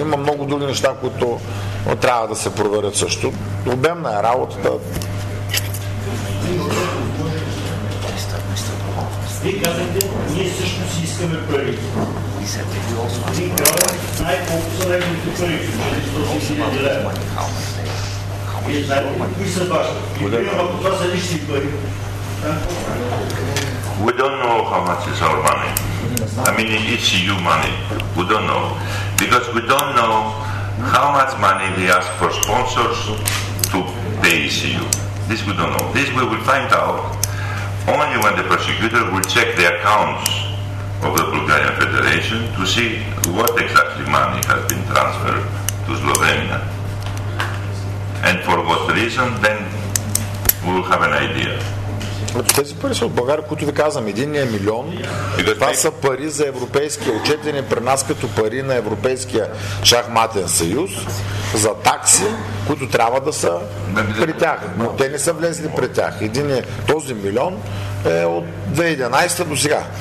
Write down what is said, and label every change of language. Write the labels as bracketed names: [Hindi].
[Bulgarian] Има много други неща, които трябва да се проверят също. Обемна е работата. Вие казахте, ние също си искаме пари. Най-колко са неговите пари, защото си има дилема. [English] We don't know how much is our money. I mean, it's EU money. We don't know. Because we don't know how much money they ask for sponsors to pay EU. This we don't know. This we will find out only when the prosecutor will check the accounts of the Bulgarian Federation to see what exactly money has been transferred to Slovenia. And for what reason, then we'll have an idea. [Bulgarian] Тези пари са от България, които ви казвам, 1 милион, това са пари за европейския, отчетени при нас като пари на Европейския шахматен съюз, за такси, които трябва да са при тях. Но те не са влезли при тях. Един е този милион е от 2011 до сега.